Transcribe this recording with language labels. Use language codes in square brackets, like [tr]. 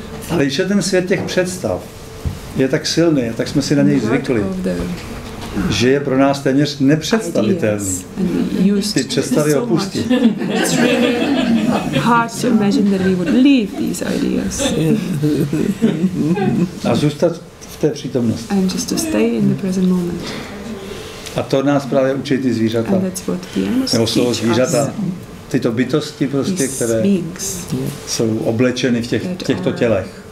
[cs] Ale ještě ten svět těch představ je tak silný, tak jsme si na něj zvykli, že je pro nás téměř nepředstavitelný ty představy opustit. [en] It's really hard to imagine that we would leave these ideas. [cs] A zůstat v té přítomnosti. [en] And just to stay in the present moment. [cs] A to nás právě učí ty zvířata. Nebo slovo zvířata, tyto bytosti prostě, které jsou oblečeny v těchto tělech.